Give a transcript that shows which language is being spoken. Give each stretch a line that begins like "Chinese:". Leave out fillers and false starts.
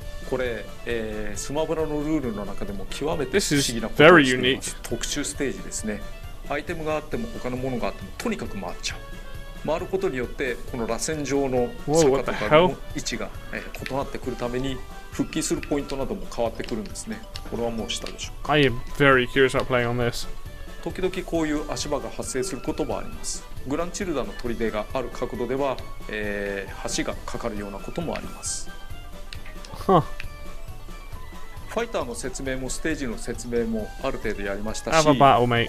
Japanese: これ、スマブラのルールの中でも極めて不思議なことをしています。特殊ステージですね。アイテムがあっても他のものがあってもとにかく回っちゃう。回ることによってこの螺旋状の坂とかの位置が、異なってくるために復帰するポイントなども変わってくるんですね。これはもう下でしょうか。
English: I am very curious about playing on this.
Japanese: 時々こういう足場が発生することもあります。グランチルダの砦がある角度では、橋がかかるようなこともあります、 huh. ファイターの説明もステージの説明もある程度やりましたし、
English: Have a battle, mate.